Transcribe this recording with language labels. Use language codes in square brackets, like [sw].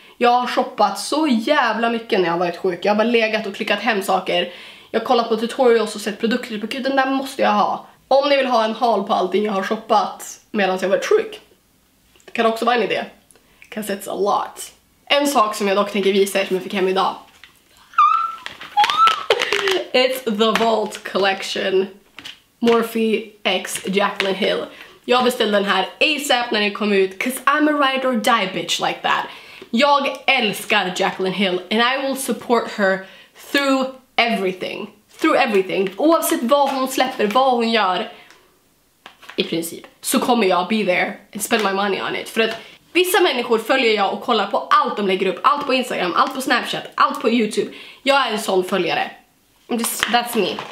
[sv] Jag har shoppat så jävla mycket när jag varit sjuk. Jag har bara legat och klickat hem saker. Jag har kollat på tutorials och sett produkter. Gud, den där måste jag ha. Om ni vill ha en haul på allting jag har shoppat medan jag varit sjuk. Det kan också vara en idé. [en] Cause it's a lot. [sv] En sak som jag dock tänker visa er som jag fick hem idag. [en] It's the Vault Collection. Morphe x Jaclyn Hill. [sv] Jag beställde den här ASAP när den kom ut. [en] Cause I'm a ride or die bitch like that. [sv] Jag älskar Jaclyn Hill. [en] And I will support her through everything. Through everything. [sv] Oavsett vad hon släpper, vad hon gör. I princip. Så kommer jag [en] be there and spend my money on it. [sv] För att vissa människor följer jag och kollar på allt de lägger upp. Allt på Instagram, allt på Snapchat, allt på YouTube. Jag är en sån följare. [en] That's me.